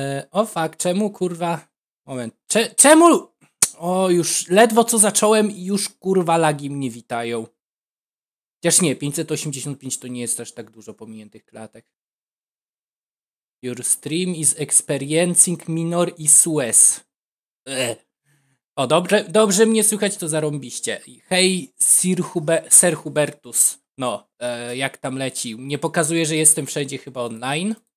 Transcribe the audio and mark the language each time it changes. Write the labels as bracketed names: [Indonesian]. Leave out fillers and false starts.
[Polish] O fakt, czemu kurwa? Moment. Czemu? O, już ledwo co zacząłem i już kurwa lagi mnie witają. Chociaż nie, 585 to nie jest aż tak dużo pominiętych klatek. [English] Your stream is experiencing minor issues. [Polish] O, dobrze mnie słychać, to zarąbiście. Hej, Sir Hubertus. No, jak tam leci? Nie pokazuje, że jestem wszędzie chyba online.